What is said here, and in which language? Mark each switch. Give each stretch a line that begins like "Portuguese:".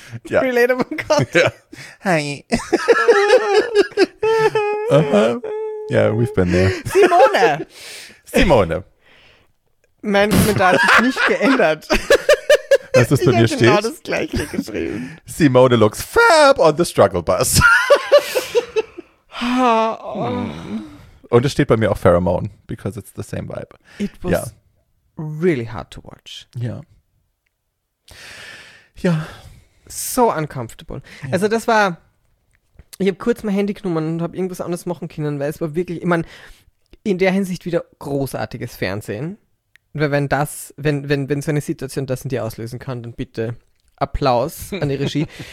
German: Ja.
English: Relatable Content.
German: Ja. Hi.
English: Yeah, we've been there. Simone.
German: Mein Kommentar hat sich nicht geändert. Was das bei mir steht? Ich habe genau das gleiche geschrieben.
English: Simone looks fab on the struggle bus.
German: Und es steht bei mir auch Pheromone,
English: because it's the same vibe. It was really hard to watch.
German: Ja.
English: Ja. So uncomfortable. Ja.
German: Also das war, ich habe kurz mein Handy genommen und habe irgendwas anderes machen können, weil es war wirklich, ich meine, in der Hinsicht wieder großartiges Fernsehen. Weil wenn das, wenn so eine Situation das in dir auslösen kann, dann bitte Applaus an die Regie.